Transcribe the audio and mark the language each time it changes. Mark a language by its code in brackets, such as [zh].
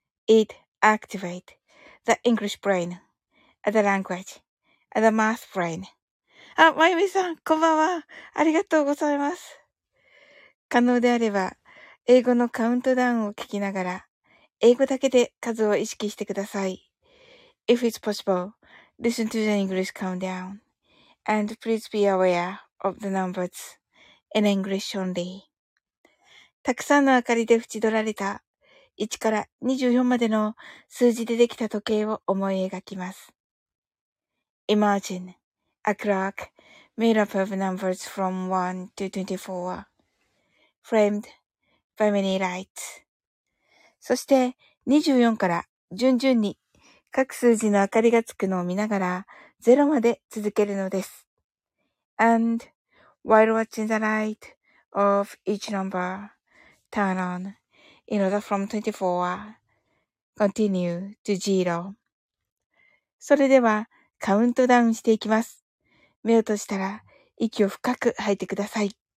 [en] Eat. Activate the English brain, the language, the math brain. [ja] あ、まゆみさん、こんばんは。ありがとうございます。可能であれば、英語のカウントダウンを聞きながら、英語だけで数を意識してください。 [en] If it's possible, listen to the English countdown. And please be aware of the numbers in English only. [ja] たくさんの明かりで縁取られた1から24までの数字でできた時計を思い描きます。 [en] Imagine a clock made up of numbers from 1 to 24, framed by many lights. [ja] そして24から順々に各数字の明かりがつくのを見ながら0まで続けるのです。 [en] And while watching the light of each number turn on,In order from 24, continue to zero. [ja] それではカウントダウンしていきます。目を閉じたら息を深く吐いてください。